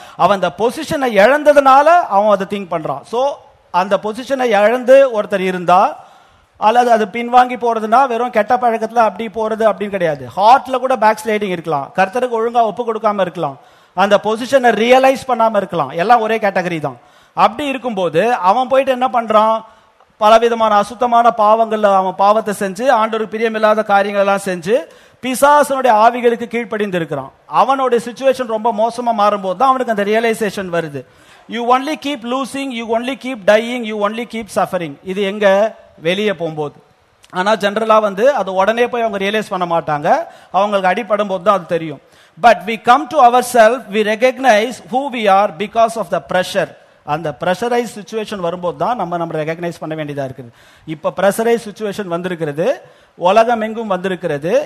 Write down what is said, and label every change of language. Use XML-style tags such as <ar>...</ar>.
<ta>அவன் அந்த பொசிஷனை இழந்ததுனால அவன் அதை திங்க் பண்றான். சோ அந்த பொசிஷனை இழந்து ஒருத்தர் இருந்தா, அல்லது அது பின்வாங்கி போறதுன்னா வெறும் கெட்ட பழக்கத்துல அப்படி போறது அப்படின்னு கிடையாது, ஹார்ட்ல கூட பேக் ஸ்லைடிங் இருக்கலாம், கர்த்தருக்கு ஒழுங்கா ஒப்பு கொடுக்காம இருக்கலாம், அந்த பொசிஷனை ரியலைஸ் பண்ணாம இருக்கலாம், எல்லாம் ஒரே கேட்டகரி தான். அப்படி இருக்கும்போது அவன் போயிட்டு என்ன பண்றான், பலவிதமான அசுத்தமான பாவங்கள்ல அவன் பாவத்தை செஞ்சு, ஆண்டவருக்கு பிரியமில்லாத காரியங்கள் எல்லாம் செஞ்சு, பிசாசனுடைய ஆவிகளுக்கு கீழ்ப்படிந்து இருக்கிறான். அவனுடைய சிச்சுவேஷன் ரொம்ப மோசமா மாறும்போது தான் அவனுக்கு அந்த ரியலைசேஷன் வருது.</ta> <en>You only keep losing, you only keep dying, you only keep suffering.</en> <ta>இது எங்க வெளியே போகும்போது. ஆனா ஜென்ரலா வந்து அது உடனே போய் அவங்க ரியலைஸ் பண்ண மாட்டாங்க, அவங்களுக்கு அடிபடும் போது தான் அது தெரியும்.</ta> <en>But we come to our self, we recognize who we are because of the pressure.</en> <ta>அந்த ப்ரெஷரைஸ் சுச்சுவேஷன் வரும்போது தான் நம்ம ரெகக்னைஸ் பண்ண வேண்டியதா இருக்குது. இப்ப ப்ரெஷரைஸ் சுச்சுவேஷன் வந்திருக்கிறது, உலகம் எங்கும் வந்திருக்கிறது.</ta>